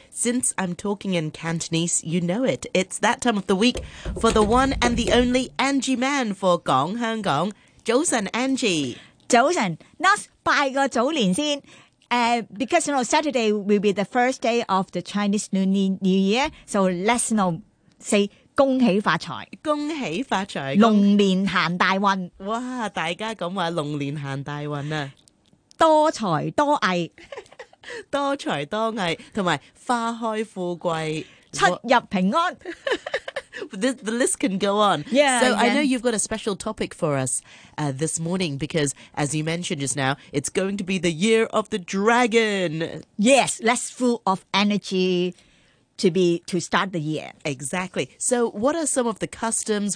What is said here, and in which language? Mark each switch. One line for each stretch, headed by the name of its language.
English: Since I'm talking in Cantonese, you know it. It's that time of the week for the one and the only Angie Man for 港香港。
Cantonese: 早晨 ，Angie。早晨 ，Nas 拜个早年先。
English: Because you know Saturday will be the first day of the Chinese New Year, so let's you know say.
Cantonese: 恭喜发财，恭喜发财，龙年行大运。哇，大家咁话龙年行大运啊，多才多艺，多才多艺，同埋花开富贵，出入平安。
English: The list can go on. Yeah, so I know you've got a special topic for us this morning because, as you mentioned just now, it's going to be the year of the dragon. Yes, less full of energy. To start the year. Exactly. So what are some of the customs?